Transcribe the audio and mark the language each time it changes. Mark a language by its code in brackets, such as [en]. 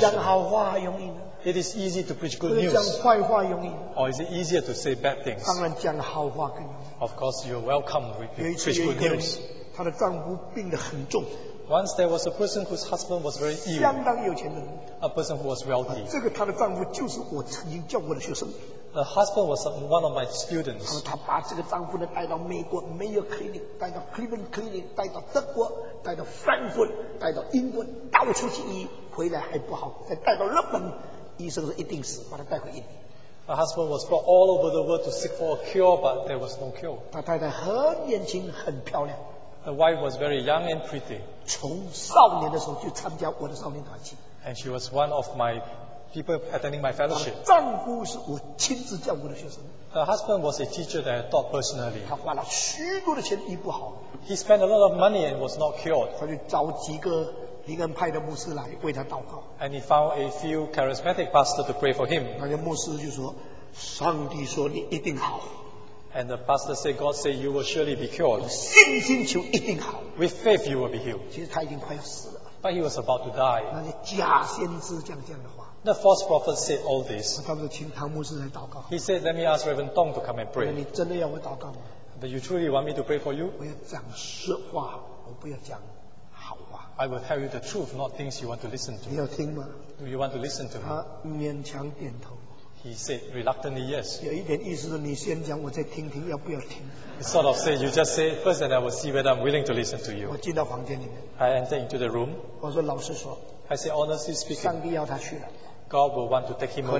[zh] 讲好话容易, [en] it is easy to preach good news. [zh] 讲坏话容易, [en] or is it easier to say bad things? [zh] 当然讲好话更容易, [en] of course, you're welcome to preach good news. [zh] 他的丈夫病得很重, [en] once there was a person whose husband was very ill, [zh] 相当有钱的人, [en] a person who was wealthy. [zh] 这个他的丈夫就是我曾经教过的学生, [en] the husband was one of my students. [zh] 他把这个丈夫呢, 带到美国, Mayo Clinic, 带到 Cleveland Clinic, 带到德国, 带到 Frankfurt, 带到英国, 到处去医, 回来还不好, 再带到日本, 医生说一定死, 把他带回印尼。 [en] My husband was brought all over the world to seek for a cure, but there was no cure. [zh] 他太太很年轻, 很漂亮。 [en] The wife was very young and pretty. [zh] 从少年的时候就参加我的少年团契, [en] and she was one of my people attending my fellowship. [zh] 丈夫是我亲自教过的学生, [en] her husband was a teacher that I taught personally. [zh] 他花了许多的钱医不好, [en] he spent a lot of money and was not cured. [zh] 他就找几个灵恩派的牧师来为他祷告, [en] and he found a few charismatic pastors to pray for him. [zh] 那个牧师就说, 上帝说你一定好, [en] and the pastor said, God said, you will surely be cured. [zh] 信心求一定好, [en] with faith you will be healed. [zh] 其实他已经快要死了, [en] but he was about to die. [zh] 那些假先知这样的话, [en] the false prophet said all this. [zh] 他们请唐牧师来祷告, [en] he said, let me ask Reverend Tong to come and pray. [zh] 你真的要我祷告吗? [en] But you truly want me to pray for you? [zh] 我要讲实话, 我不要讲好话, [en] I will tell you the truth, not things you want to listen to. [zh] 你要听吗? [en] Do you want to listen to [zh] him? 他勉强点头, [en] he said reluctantly yes. [zh] 有一点意思是你先讲, 我再听听, [en] he sort of said, you just say first and I will see whether I'm willing to listen to you. [zh] 我进到房间里面, [en] I entered into the room. [zh] 我说老实说, [en] I said honestly speaking, [zh] 上帝要他去了, [en] God will want to take him away.